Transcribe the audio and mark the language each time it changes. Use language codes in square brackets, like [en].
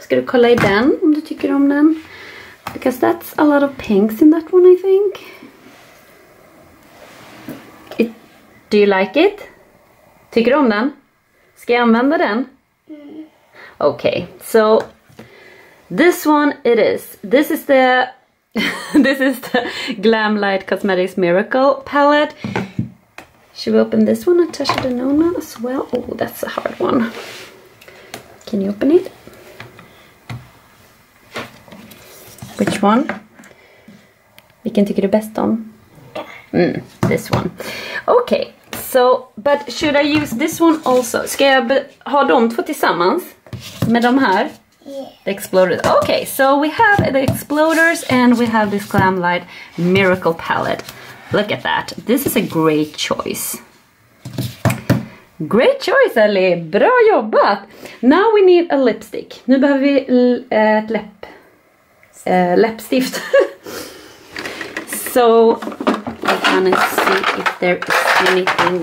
[sv] Ska du kolla i den om du tycker om den? [en] Because that's a lot of pinks in that one, I think. It, do you like it? [sv] Tycker du om den? Ska jag använda den? [en] Okay, so this one it is. This is the this is the Glamlite Cosmetics Miracle palette. Should we open this one, Natasha Denona, as well? Oh, that's a hard one. Can you open it? Which one? [sv] Vilken tycker du bäst om? [en] Mm, this one. Okay, so, but should I use this one also? [sv] Ska jag ha dem två tillsammans? Med de här? [en] Yeah. The Xploders. Okay, so we have the Xploders and we have this Glamlite Miracle Palette. Look at that. This is a great choice. Great choice, Elly. [sv] Bra jobbat. [en] Now we need a lipstick. [sv] Nu behöver vi ett läppstift. [en] So, I wanna see if there is anything.